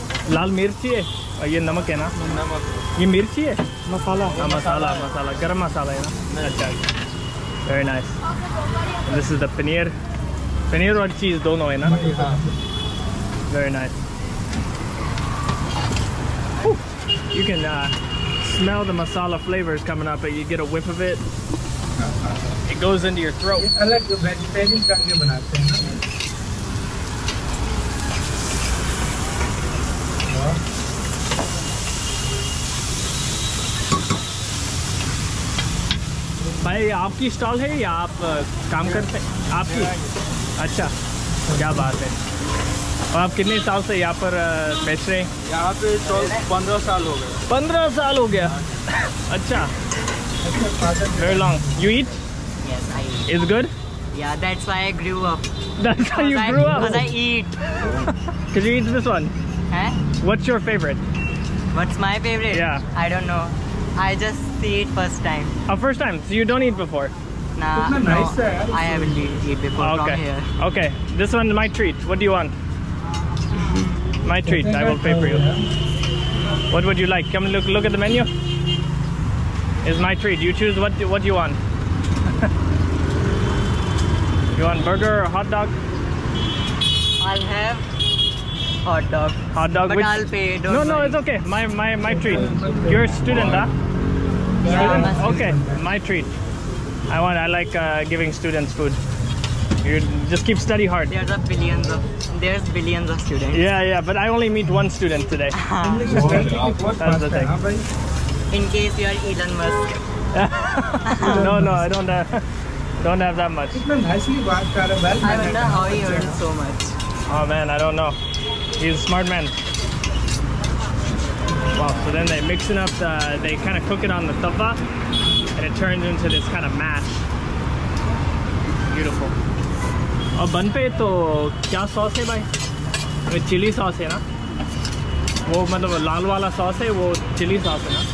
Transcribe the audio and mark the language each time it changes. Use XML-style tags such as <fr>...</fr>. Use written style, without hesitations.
<hi>लाल मिर्ची है और ये नमक है ना? नमक, ये मिर्ची है मसाला? हाँ मसाला, मसाला गरम मसाला है ना, अच्छा</hi> <en>Very nice. This is the paneer,</en> <hi>paneer और चीज दोनों है ना,</hi> <en>Very nice. You can smell the masala flavors coming up, but you get a whiff of it. It goes into your throat. I like the vegetarian kind of banana.</en> <hi>भाई आपकी stall है या आप काम करते हैं? आपकी, अच्छा क्या बात है। और आप कितने साल से यहाँ पर बेच रहे हैं? यहाँ पे 15 साल हो गए। 15 साल हो गया, अच्छा</hi> <en>Very long. You eat? Yes I eat. It's good? Yeah that's why I grew up. That's how you grew up? Because I eat. Can you eat this one?</en> <hi>हैं?</hi> <en>What's your favourite? What's my favourite? Yeah I don't know, I just see it first time. A first time, so you don't eat before? No, I haven't eaten before from here. Okay, this one my treat, what do you want? My treat, I will pay for you. What would you like? Come look, look at the menu. It's my treat. You choose what you want. You want burger or hot dog? I'll have hot dog. Hot dog. But which? I'll pay. Don't no, worry. No, it's okay. My treat. You're a student, huh? Yeah. Student? Okay, my treat. I like giving students food. You just keep study hard. There's billions of students. Yeah, yeah, but I only meet one student today. That's the thing. In case you are Elon Musk. No, no, I don't have that much. I wonder how he earns so much. Oh man, I don't know. He's a smart man. Wow. So then they mix it up. They kind of cook it on the tava, and it turns into this kind of mash. Beautiful.</en> <hi>और बन पे तो क्या sauce है भाई? Chilli sauce है ना वो, मतलब लाल वाला सॉस है वो चिली सॉस है ना?</hi>